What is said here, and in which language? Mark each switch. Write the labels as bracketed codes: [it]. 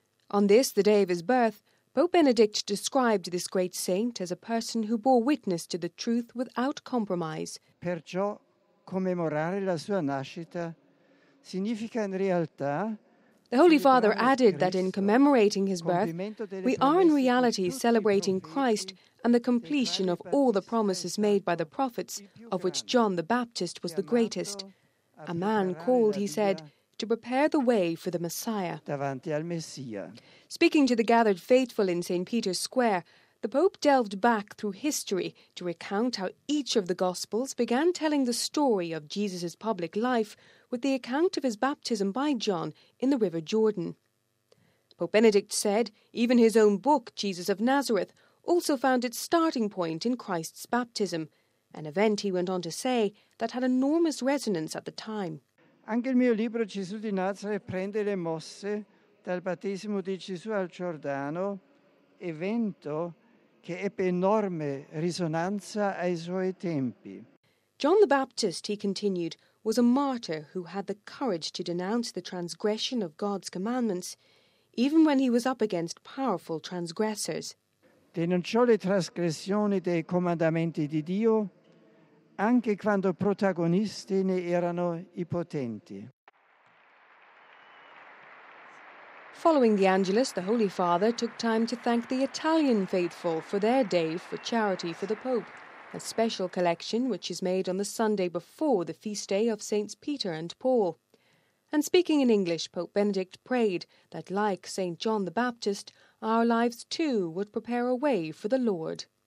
[en] On this, the day of his birth, Pope Benedict described this great saint as a person who bore witness to the truth without compromise. [it] Perciò commemorare la sua nascita significa in realtà. [en] The Holy Father added that in commemorating his birth, we are in reality celebrating Christ and the completion of all the promises made by the prophets, of which John the Baptist was the greatest. A man called, he said, to prepare the way for the Messiah. [it] Davanti al Messia. [en] Speaking to the gathered faithful in St. Peter's Square, the Pope delved back through history to recount how each of the Gospels began telling the story of Jesus' public life with the account of his baptism by John in the River Jordan. Pope Benedict said even his own book, Jesus of Nazareth, also found its starting point in Christ's baptism, an event, he went on to say, that had enormous resonance at the time. [it] Anche il mio libro Gesù di Nazareth prende le mosse dal battesimo di Gesù al Giordano, evento che ebbe enorme risonanza ai suoi tempi. [en] John the Baptist, he continued, was a martyr who had the courage to denounce the transgression of God's commandments, even when he was up against powerful transgressors. [it] Denunciò le trasgressioni dei comandamenti di Dio, anche quando protagonisti ne erano i potenti. [en] Following the Angelus, the Holy Father took time to thank the Italian faithful for their day for charity for the Pope, a special collection which is made on the Sunday before the feast day of Saints Peter and Paul. And speaking in English, Pope Benedict prayed that, like Saint John the Baptist, our lives too would prepare a way for the Lord.